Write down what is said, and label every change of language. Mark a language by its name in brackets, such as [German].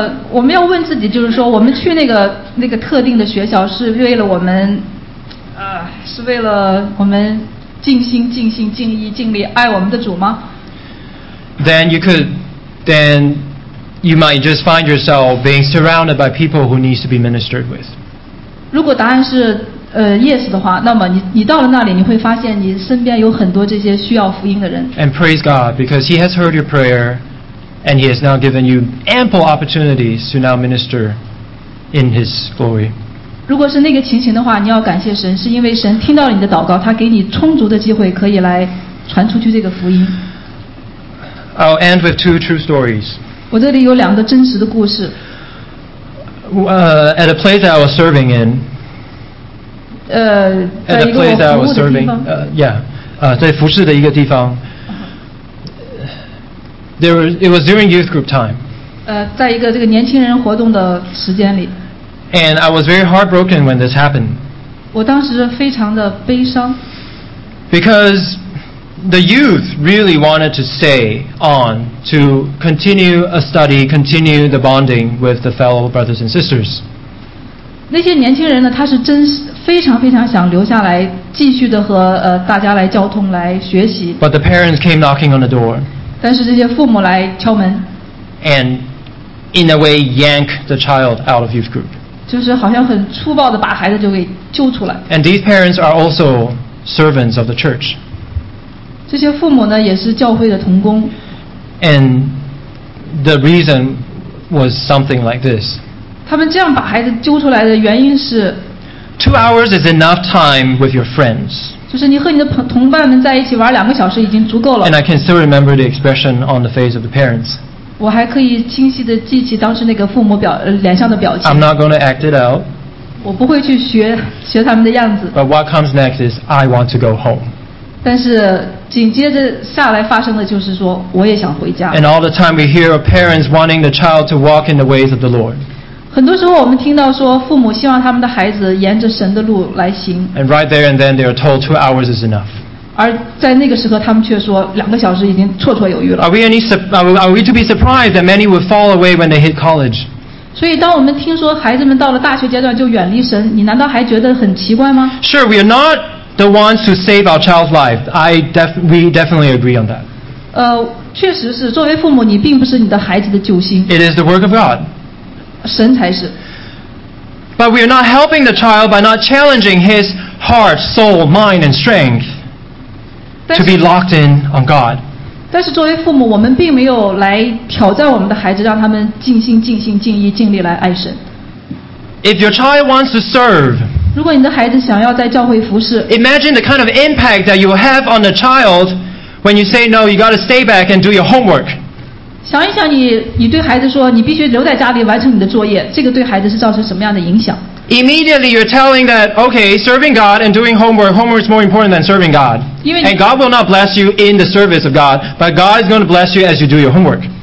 [Chinese] 我们要问自己，就是说，我们去那个特定的学校是为了我们，是为了我们尽心、尽心、尽意、尽力爱我们的主吗 [English] ？Then you could, then you might just find yourself being surrounded by people who needs to be ministered with. [Chinese] 如果答案是yes 的话，那么你到了那里，你会发现你身边有很多这些需要福音的人。 [English] And praise God because He has heard your prayer. And He has now given you ample opportunities to now minister in His glory. [Chinese] 如果是那个情形的话，你要感谢神，是因为神听到了你的祷告，他给你充足的机会可以来传出去这个福音。 [English] I'll end with two true stories. [Chinese] 我这里有两个真实的故事。 [English] At a place that I was serving in. At a place that I was serving. Yeah. [Chinese] 在服侍的一个地方。 [English] It was during youth group time. [Chinese] 在一个这个年轻人活动的时间里。 [English] And I was very heartbroken when this happened. [Chinese] 我当时非常的悲伤。 [English] Because the youth really wanted to stay on to continue a study, continue the bonding with the fellow brothers and sisters. [Chinese] 那些年轻人呢，他是真非常非常想留下来，继续的和大家来交通来学习。 [English] But the parents came knocking on the door. [Chinese] 但是这些父母来敲门 [English] ，and in a way yank the child out of youth group， [Chinese] 就是好像很粗暴的把孩子就给救出来。 [English] And these parents are also servants of the church。 [Chinese] 这些父母呢也是教会的同工。 [English] And the reason was something like this。 [Chinese] 他们这样把孩子揪出来的原因是 [English] ，2 hours is enough time with your friends。 [Chinese] 就是你和你的同伴们在一起玩两个小时已经足够了。 [English] And I can still remember the expression on the face of the parents. [Chinese] 我还可以清晰地记起当时那个父母脸上的表情。 [English] I'm not going to act it out. [Chinese] 我不会去学他们的样子。 [English] But what comes next is I want to go home. [Chinese] 但是紧接着下来发生的就是说我也想回家。 [English] And all the time we hear of parents wanting the child to walk in the ways of the Lord. [Chinese] 很多时候我们听到说父母希望他们的孩子沿着神的路来行。 [English] And right there and then they are told 2 hours is enough. [Chinese] 而在那个时刻他们却说两个小时已经绰绰有余了。 [English] Are we to be surprised that many would fall away when they hit college? [Chinese] 所以当我们听说孩子们到了大学阶段就远离神，你难道还觉得很奇怪吗？ [English] Sure, we are not the ones to save our child's life. We definitely agree on that. [Chinese] 确实是作为父母你并不是你的孩子的救星。 [English] It is the work of God. [Chinese] 神才是。 [English] But we are not helping the child by not challenging his heart, soul, mind, and strength to be locked in on God. [Chinese] 但是作为父母，我们并没有来挑战我们的孩子，让他们尽心、尽心、尽意、尽力来爱神。 [English] If your child wants to serve, [Chinese] 如果你的孩子想要在教会服事， [English] Imagine the kind of impact that you have on the child when you say no, you got to stay back and do your homework. [Chinese] 想一想你对孩子说你必须留在家里完成你的作业，这个对孩子是造成什么样的影响？ [English] Immediately you're telling that, okay, serving God and doing homework is more important than serving God. And God will not bless you in the service of God, but God is going to bless you as you do your homework.